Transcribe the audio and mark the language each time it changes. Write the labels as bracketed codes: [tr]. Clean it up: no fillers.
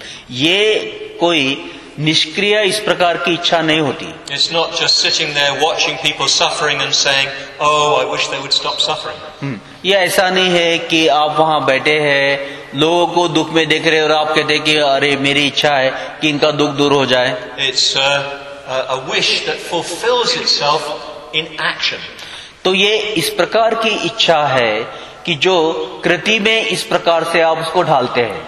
[hi] ये कोई निष्क्रिय इस प्रकार की इच्छा नहीं होती. [en] It's not just sitting there watching people suffering and saying, oh, I wish they would stop suffering. [hi] ये ऐसा नहीं है कि आप वहां बैठे हैं, लोगों को दुख में देख रहे हैं और आप कहते हैं कि अरे मेरी इच्छा है कि इनका दुख दूर हो जाए. [en] It's a wish that fulfills itself in action. [hi] तो ये इस प्रकार की इच्छा है कि जो कृति में इस प्रकार से आप उसको ढालते हैं.